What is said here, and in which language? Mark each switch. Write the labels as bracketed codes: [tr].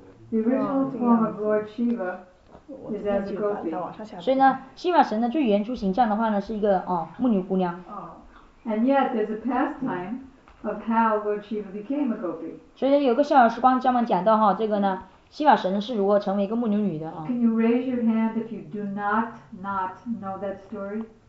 [en] The original form of Lord Shiva is as a gopi。 [zh] 所以呢，西瓦神呢最原初形象的话呢是一个牧女姑娘。 [en] And yet there's a pastime. Of how Lord Shiva became a gopi. [zh] 所以有个逍遥时光专门讲到哈，这个呢，希瓦神是如何成为一个牧牛女的啊。 [en] Can you raise your hand if you do not know that story?